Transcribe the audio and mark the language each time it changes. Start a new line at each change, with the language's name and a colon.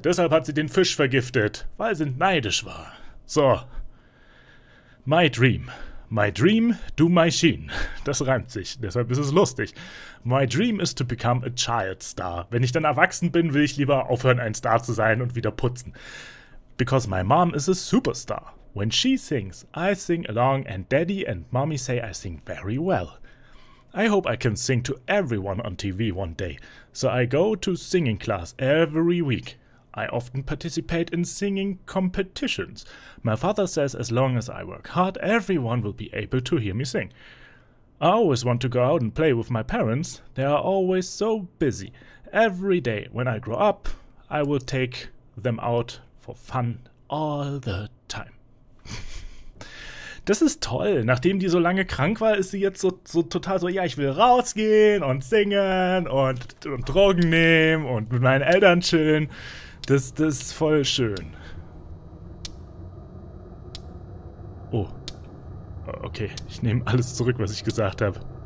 German: Deshalb hat sie den Fisch vergiftet, weil sie neidisch war.
English: So. My dream. My dream, do my sheen.
German: Das reimt sich, deshalb ist es lustig.
English: My dream is to become a child star.
German: Wenn ich dann erwachsen bin, will ich lieber aufhören, ein Star zu sein und wieder putzen.
English: Because my mom is a superstar. When she sings, I sing along and daddy and mommy say I sing very well. I hope I can sing to everyone on TV one day. So I go to singing class every week. I often participate in singing competitions. My father says as long as I work hard, everyone will be able to hear me sing. I always want to go out and play with my parents. They are always so busy. Every day when I grow up, I will take them out for fun all the time.
German: Das ist toll. Nachdem die so lange krank war, ist sie jetzt so total so, ja, ich will rausgehen und singen und Drogen nehmen und mit meinen Eltern chillen. Das ist voll schön. Oh. Okay, ich nehme alles zurück, was ich gesagt habe.